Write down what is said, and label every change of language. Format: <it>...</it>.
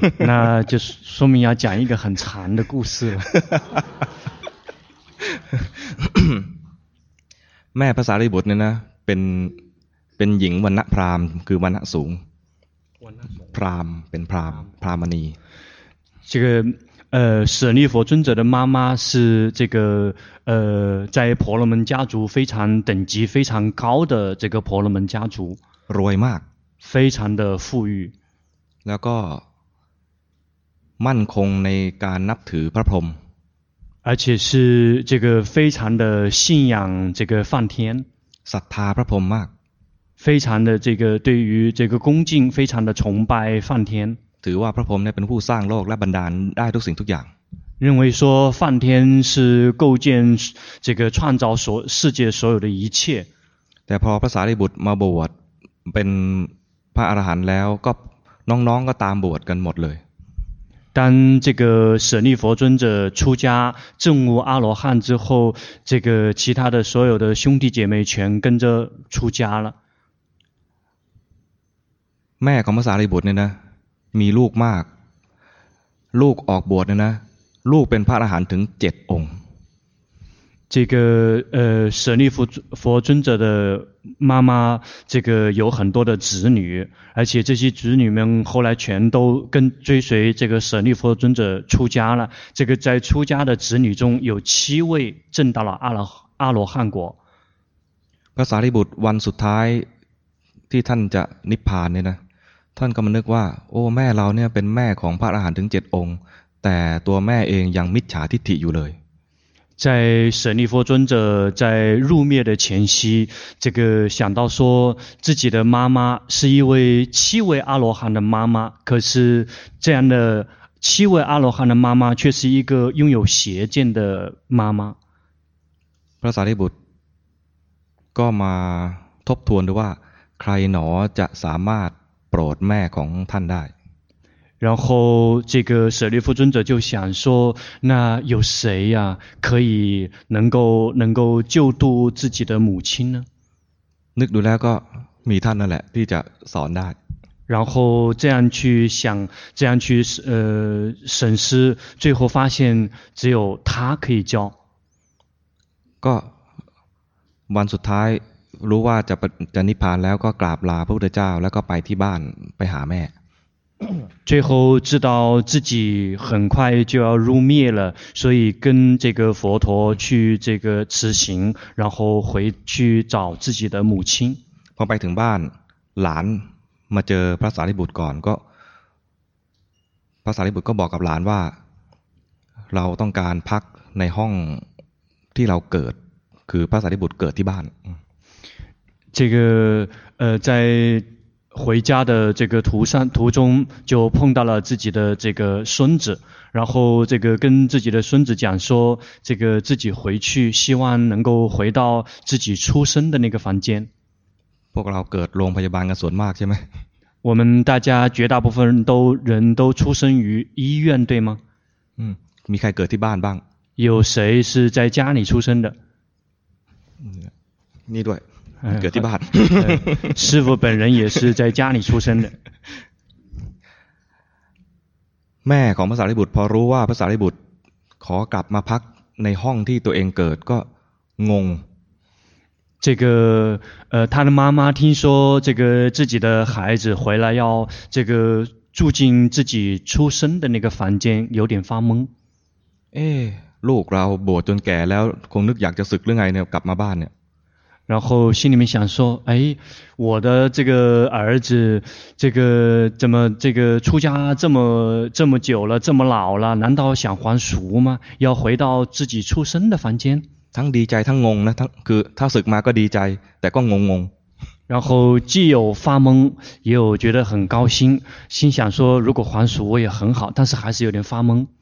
<zh>那就说明要讲一个很长的故事了</zh> <th>แม่พระสารีบุตรเนี่ยนะเป็นหญิงวรรณะพราหมณ์คือวรรณะสูง พราหมณ์เป็นพราหมณ์พราหมณี</th> <zh>这个舍利佛尊者的妈妈是这个在婆罗门家族非常等级非常高的这个婆罗门家族</zh> <th>รวยมาก</th> <zh>非常的富裕</zh> <th>แล้วก็มั่นคงในการนับถือพระพรหม</th> <zh>而且是这个非常的信仰这个梵天</zh> <th>ศรัทธาพระพรหมมาก</th> <zh>非常的这个对于这个恭敬非常的崇拜梵天</zh> <th>ถือว่าพระพรหมเนี่ยเป็นผู้สร้างโลกและบันดาลได้ทุกสิ่งทุกอย่าง</th> <zh>认为说梵天是构建这个创造所世界所有的一切</zh> <th>แต่พอพระสารีบุตรมาบวชเป็นพระอรหันต์แล้วก็น้องๆก็ตามบวชกันหมดเลย</th> <zh>当这个舍利佛尊者出家证悟阿罗汉之后这个其他的所有的兄弟姐妹全跟着出家了</zh> <th>แม่ของพระสารีบุตรเนี่ยนะมีลูกมากลูกออกบวชเนี่ยนะลูกเป็นพระอรหันต์ถึง7องค์</th> <zh>这个舍利弗佛尊者的妈妈这个有很多的子女而且这些子女们后来全都跟追随这个舍利弗尊者出家了这个在出家的子女中有七位证到了阿罗汉果</zh> <th>พระสารีบุตรวันสุดท้ายที่ท่านจะนิพพานเนี่ยนะท่านก็มานึกว่าโอ้แม่เราเนี่ยเป็นแม่ของพระอรหันต์ถึง7องค์แต่ตัวแม่เองยังมิจฉาทิฏฐิอยู่เลย</th> <zh>在舍利弗尊者在入灭的前夕这个想到说自己的妈妈是一位七位阿罗汉的妈妈可是这样的七位阿罗汉的妈妈却是一个拥有邪见的妈妈</zh> <th>พระสารีบุตรก็มาทบทวนดูว่าใครหนอจะสามารถโปรดแม่ของท่านได้</th> <zh>然后这个舍利弗尊者就想说那有谁呀可以能够救度自己的母亲呢</zh> <th>นึกดูแล้วก็มีท่านนั่นแหละที่จะสอนได้</th> <zh>然后这样去想这样去审视最后发现只有他可以教</zh> <th>ก็วันสุดท้ายรู้ว่าจะนิพพานแล้วก็กราบลาพระพุทธเจ้าแล้วก็ไปที่บ้านไปหาแม่</th> <zh>最后知道自己很快就要入灭了所以跟这个佛陀去这个辞行然后回去找自己的母亲</zh> <th>พอไปถึงบ้านหลานมาเจอพระสารีบุตรก่อนก็พระสารีบุตรก็บอกกับหลานว่าเราต้องการพักในห้องที่เราเกิดคือพระสารีบุตรเกิดที่บ้าน</th> <zh>这个在回家的这个途中就碰到了自己的这个孙子然后这个跟自己的孙子讲说这个自己回去希望能够回到自己出生的那个房间</zh> <th>พวกเราเกิดโรงพยาบาลกันส่วนมากใช่ไหม</th> <zh>我们大家绝大部分人都出生于医院对吗</zh> <th>มีใครเกิดที่บ้านบ้าง</th> <zh>有谁是在家里出生的</zh> <th>นี่ด้วยเกิดที่บ้าน</th> <zh>师父本人也是在家里出生的</zh> <th>แม่ของพระสารีบุตรพอรู้ว่าพระสารีบุตรขอกลับมาพักในห้องที่ตัวเองเกิดก็งง</th> <zh>这个他的妈妈听说这个自己的孩子回来要这个住进自己出生的那个房间有点发懵</zh> <th>เอ้ลูกเราบวชจนแก่แล้วคงนึกอยากจะศึกหรือไงเนี่ยกลับมาบ้านเนี่ย</th> <zh>然后心里面想说哎我的这个儿子这个怎么这个出家这么久了这么老了难道想还俗吗要回到自己出生的房间</zh> <th>ทั้งดีใจทั้งงงนะทั้งคือถ้าศึกมาก็ดีใจแต่ก็งงงง</th> <zh>然后既有发懵也有觉得很高兴心想说如果还俗也很好但是还是有点发懵</zh>